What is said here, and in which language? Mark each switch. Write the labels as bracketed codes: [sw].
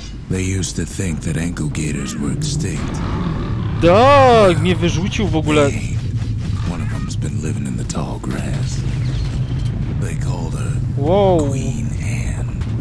[pl] They used to think that ankle gators were extinct. Dog, mnie wyrzucił w ogóle. [en] One of them's been living in the tall grass. They called her Queen Anne.